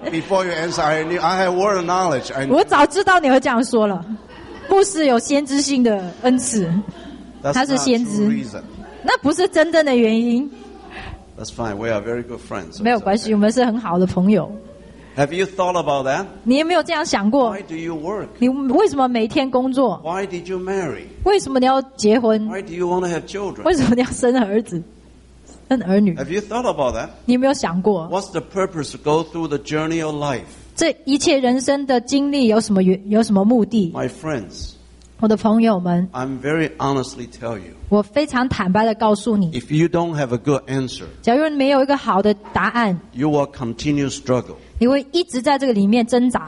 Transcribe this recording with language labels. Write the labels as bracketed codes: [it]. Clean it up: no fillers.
[en] Before you answer, I have word of knowledge. [zh] 我早知道你会这样说了。牧师有先知性的恩赐。他是先知。那不是真正的原因。 [en] That's fine. We are very good friends. [zh] 没有关系，我们是很好的朋友。 [en] Have you thought about that? [zh] 你有没有这样想过？ [en] Why do you work? [zh] 你为什么每天工作？ [en] Why did you marry? [zh] 为什么你要结婚？ [en] Why do you want to have children? [zh] 为什么你要生儿子？生儿女？ [en] Have you thought about that? [zh] 你有没有想过？ [en] What's the purpose to go through the journey of life? [zh] 这一切人生的经历有什么目的？ [en] My friends, [zh] 我的朋友们， [en] I'm very honestly tell you, [zh] 我非常坦白地告诉你， [en] If you don't have a good answer, [zh] 假如你没有一个好的答案， [en] You will continue struggle. [zh] 你会一直在这个里面挣扎。